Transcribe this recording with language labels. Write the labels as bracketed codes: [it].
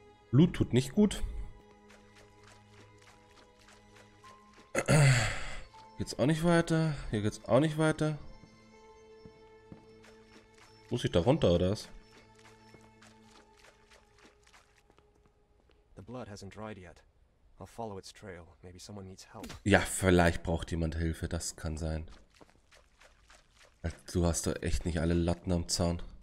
[de] Blut tut nicht gut. Geht's auch nicht weiter. Hier geht's auch nicht weiter. Muss ich da runter, oder was? [en] The blood hasn't dried yet. I'll follow its trail. Maybe someone needs help. [de] Ja, vielleicht braucht jemand Hilfe, das kann sein. Du hast doch echt nicht alle Latten am Zaun.